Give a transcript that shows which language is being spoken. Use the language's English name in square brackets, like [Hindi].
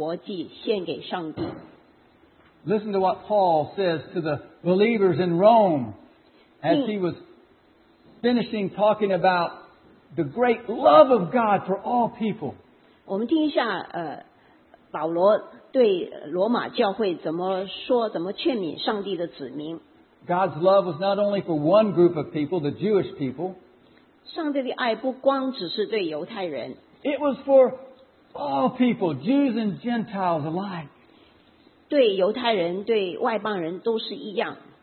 [Chinese] 更重要的，我们是要把自己献上，我们每天的生命作为一个活祭献给上帝。 [English] Listen to what Paul says to the believers in Rome as he was finishing talking about the great love of God for all people. [Chinese] 我们听一下，保罗对罗马教会怎么说，怎么劝勉上帝的子民。 [English] God's love was not only for one group of people, the Jewish people. [Chinese] 上帝的爱不光只是对犹太人。 [English] It was for all people, Jews and Gentiles alike. [Chinese] 对犹太人，对外邦人都是一样。